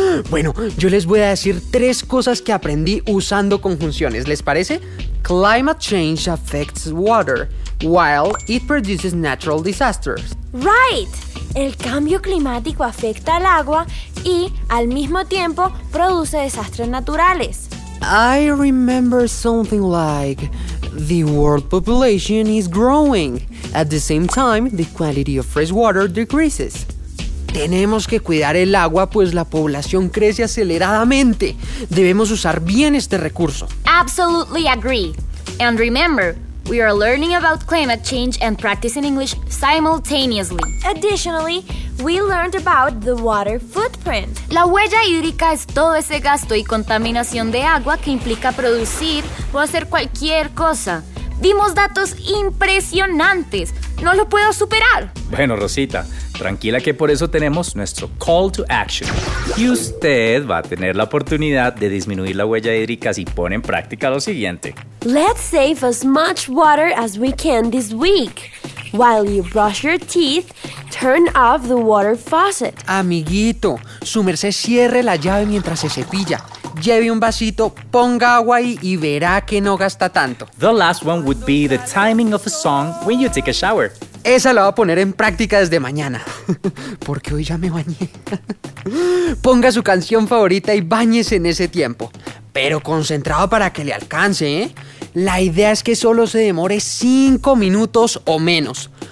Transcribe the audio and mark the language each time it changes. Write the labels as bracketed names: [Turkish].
[Spanish] Bueno, yo les voy a decir tres cosas que aprendí usando conjunciones. ¿Les parece? [English] Climate change affects water while it produces natural disasters. Right. [Spanish] El cambio climático afecta al agua y, al mismo tiempo, produce desastres naturales. [English] I remember something like, the world population is growing. At the same time, the quality of fresh water decreases. [Spanish] Tenemos que cuidar el agua, pues la población crece aceleradamente. Debemos usar bien este recurso. [English] Absolutely agree. And remember, we are learning about climate change and practicing English simultaneously. Additionally, we learned about the water footprint. [Spanish] La huella hídrica es todo ese gasto y contaminación de agua que implica producir o hacer cualquier cosa. Vimos datos impresionantes. ¡No lo puedo superar! Bueno, Rosita, tranquila que por eso tenemos nuestro Call to Action. Y usted va a tener la oportunidad de disminuir la huella hídrica si pone en práctica lo siguiente. [English] Let's save as much water as we can this week. While you brush your teeth, turn off the water faucet. [Spanish] Amiguito, su merced cierre la llave mientras se cepilla. Lleve un vasito, ponga agua ahí y verá que no gasta tanto. [English] The last one would be the timing of a song when you take a shower. [Spanish] Esa la voy a poner en práctica desde mañana, porque hoy ya me bañé. Ponga su canción favorita y báñese en ese tiempo, pero concentrado para que le alcance, ¿eh? La idea es que solo se demore 5 minutos o menos.